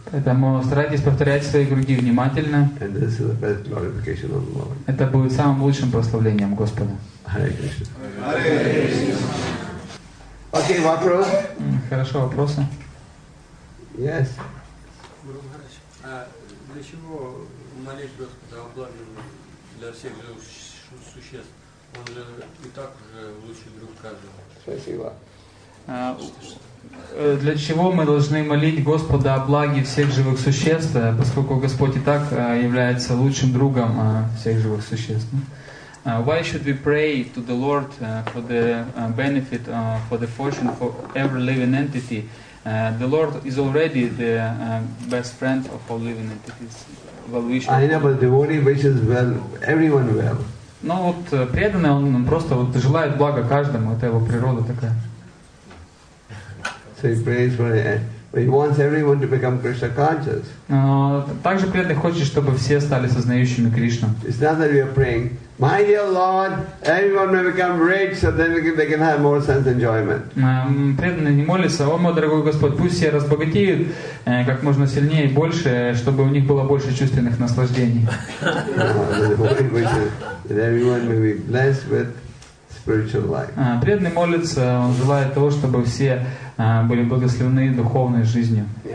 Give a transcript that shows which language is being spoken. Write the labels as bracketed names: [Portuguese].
[Russian] Поэтому старайтесь повторять свои круги внимательно. [English] And this is the best glorification of the Lord. [Russian] Это будет самым лучшим прославлением Господа. [Sanskrit] Hare Krishna. Hare Krishna. [Russian] Okay, вопрос. Хорошо, вопросы. [English] Yes. [Russian] Для чего молить Господа о благе для всех живых существ? Он же и так уже лучший друг каждого. Спасибо. Для чего мы должны молить Господа о благе всех живых существ, поскольку Господь и так является лучшим другом всех живых существ? [English] Why should we pray to the Lord for the benefit, for the fortune for every living entity? The Lord is already the best friend of all living entities. Well, we should. I know, but devotee wishes well everyone well. [Russian] Ну вот преданный он просто вот желает блага каждому. Это его природа такая. [English] So he prays for it. He wants everyone to become Krishna conscious. [Russian] Также преданный хочет, чтобы все стали сознающими Кришну. [English] It's not that we are praying. My dear Lord, everyone may become rich, so then they can have more sense enjoyment. [Russian] Преданные не молятся, о мой дорогой Господь, пусть все разбогатеют как можно сильнее и больше, чтобы у них было больше чувственных наслаждений. [English] Everyone may be blessed with spiritual life. [Russian] Преданный молится, он желает того, чтобы все были благословлены духовной жизнью.